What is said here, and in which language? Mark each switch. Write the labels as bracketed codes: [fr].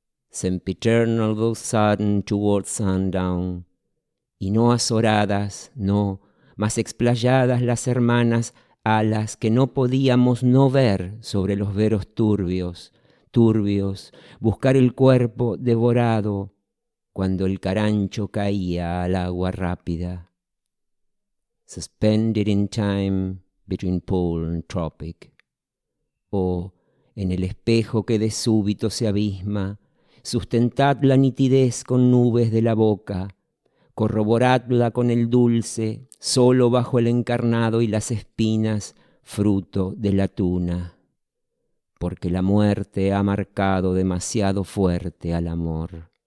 [en] Sempiternal though sudden towards sundown, [es] y no azoradas, no, más explayadas las hermanas alas que no podíamos no ver sobre los veros turbios, buscar el cuerpo devorado cuando el carancho caía al agua rápida. [en] Suspended in time between pole and tropic. [es] O, en el espejo que de súbito se abisma, sustentad la nitidez con nubes de la boca, corroboradla con el dulce, solo bajo el encarnado y las espinas, fruto de la tuna, porque la muerte ha marcado demasiado fuerte al amor.